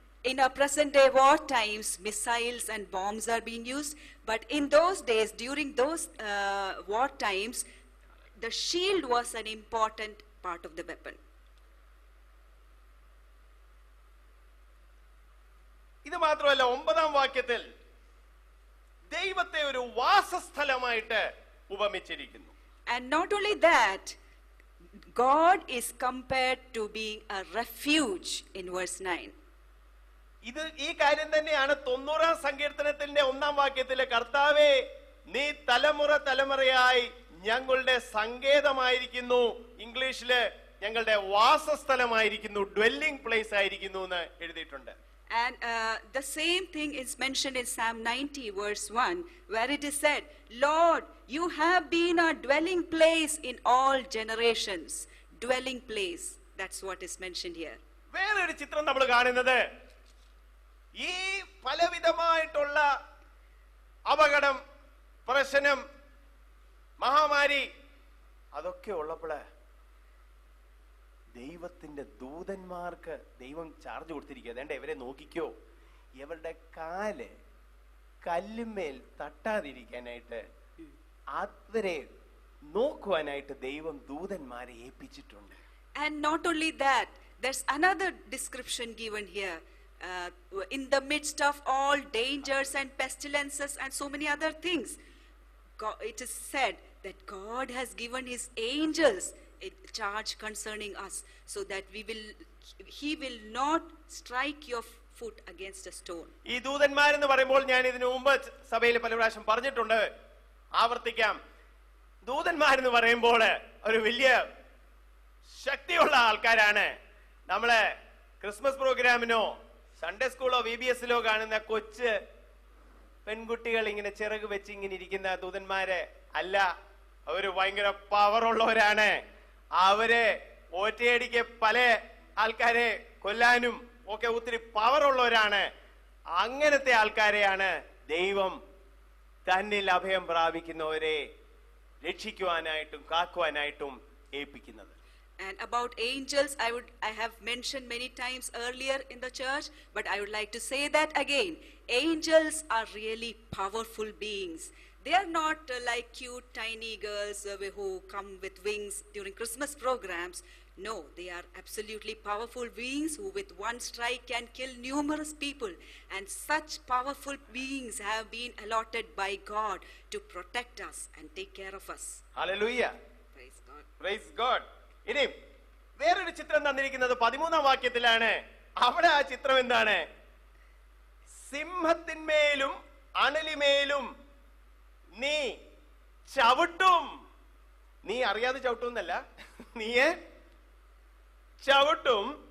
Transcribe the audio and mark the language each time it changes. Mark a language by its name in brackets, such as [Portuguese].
[English] In our present day war times, missiles and bombs are being used, but in those days, during those war times, the shield was an important part of the weapon. [Malayalam] ഇത് മാത്രമല്ല, ഒമ്പതാം വാക്യത്തിൽ ദൈവത്തെ ഒരു വാസസ്ഥലമായിട്ട് ഉപമിച്ചിരിക്കുന്നു. [English] And not only that, God is compared to being a refuge in verse 9. [Malayalam] ഇത് ഈ കാര്യം തന്നെയാണ് 90-ാം സങ്കീർത്തനത്തിന്റെ 1-ാം വാക്യത്തിലെ, കർത്താവേ നീ തലമുറ തലമുറയായി ഞങ്ങളുടെ സങ്കേതമായിരിക്കുന്നു, ഇംഗ്ലീഷില് ഞങ്ങളുടെ വാസസ്ഥലമായിരിക്കുന്നു, ഡ്വെല്ലിംഗ് പ്ലേസ് ആയിരിക്കുന്നു എന്ന് എഴുതിയിട്ടുണ്ട്. [English] And the same thing is mentioned in Psalm 90 verse 1, where it is said, Lord, you have been our dwelling place in all generations. Dwelling place, that's what is mentioned here. Where is the picture we are seeing? [Malayalam] ഈ പലവിധമായിട്ടുള്ള അപകടം, പ്രശ്നം, മഹാമാരി അതൊക്കെ ഉള്ളപ്പോൾ ദൈവത്തിന്റെ ദൂതന്മാർക്ക് ദൈവം charge കൊടുത്തിരിക്കുക, അതേണ്ട ഇവരെ നോക്കിക്കോ, ഇവരുടെ കാല് കല്ലുമേൽ തട്ടാതിരിക്കാനായിട്ട് അവരെ നോക്കുവാനായിട്ട് ദൈവം ദൂതന്മാരെ ഏൽപ്പിച്ചിട്ടുണ്ട്. [English] And not only that, there's another description given here. In the midst of all dangers and pestilences and so many other things, God, it is said that God has given his angels a charge concerning us, so that he will not strike your foot against a stone. [Malayalam] ഈ ദൂതന്മാർ എന്ന് പറയുമ്പോൾ ഞാൻ ഇതിനു മുമ്പ് സഭയിൽ പല പ്രാവശ്യം പറഞ്ഞിട്ടുണ്ട്, ആവർത്തിക്കാം. ദൂതന്മാർ എന്ന് പറയുമ്പോൾ ഒരു വലിയ ശക്തിയുള്ള ആൾക്കാരാണ്. നമ്മളെ ക്രിസ്മസ് പ്രോഗ്രാമിനോ സൺഡേ സ്കൂളോ VBSലോ കാണുന്ന കൊച്ചു പെൺകുട്ടികൾ ഇങ്ങനെ ചിറക് വെച്ച് ഇങ്ങനെ ഇരിക്കുന്ന ദൂതന്മാരെ അല്ല, അവര് ഭയങ്കര പവറുള്ളവരാണ്. അവരെ ഓറ്റയടിക്ക് പല ആൾക്കാരെ കൊല്ലാനും ഒക്കെ ഒത്തിരി പവറുള്ളവരാണ്. അങ്ങനത്തെ ആൾക്കാരെയാണ് ദൈവം തന്നിൽ അഭയം പ്രാപിക്കുന്നവരെ രക്ഷിക്കുവാനായിട്ടും കാക്കുവാനായിട്ടും ഏൽപ്പിക്കുന്നത്. [English] And about angels, I have mentioned many times earlier in the church, but I would like to say that again. Angels are really powerful beings. They are not like cute tiny girls who come with wings during Christmas programs. No, they are absolutely powerful beings who with one strike can kill numerous people. And such powerful beings have been allotted by God to protect us and take care of us. Hallelujah. Praise God. Praise God. [Malayalam] ഇനി വേറൊരു ചിത്രം തന്നിരിക്കുന്നത് പതിമൂന്നാം വാക്യത്തിലാണ്. അവിടെ ആ ചിത്രം എന്താണ്? സിംഹത്തിന്മേലും അണലിമേലും നീ ചവിട്ടും. നീ അറിയാതെ ചവിട്ടും എന്നല്ല, നീയെ ചവിട്ടും.